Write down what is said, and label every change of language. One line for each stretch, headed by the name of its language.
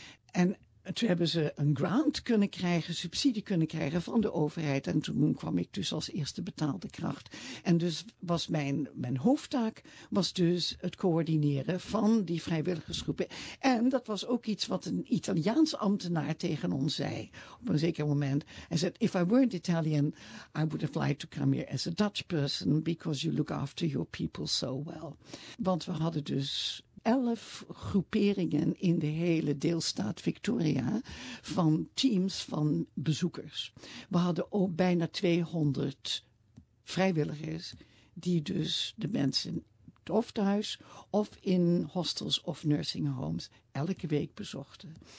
Dutch: En toen hebben ze een grant kunnen krijgen, subsidie kunnen krijgen van de overheid. En toen kwam ik dus als eerste betaalde kracht. En dus was mijn hoofdtaak was dus het coördineren van die vrijwilligersgroepen. En dat was ook iets wat een Italiaans ambtenaar tegen ons zei op een zeker moment. Hij zei,
English: if I weren't Italian, I would have liked to come here as a Dutch person because you look after your people so well.
Dutch: Want we hadden dus 11 groeperingen in de hele deelstaat Victoria van teams van bezoekers. We hadden ook bijna 200 vrijwilligers die dus de mensen of thuis of in hostels of nursing homes elke week bezochten.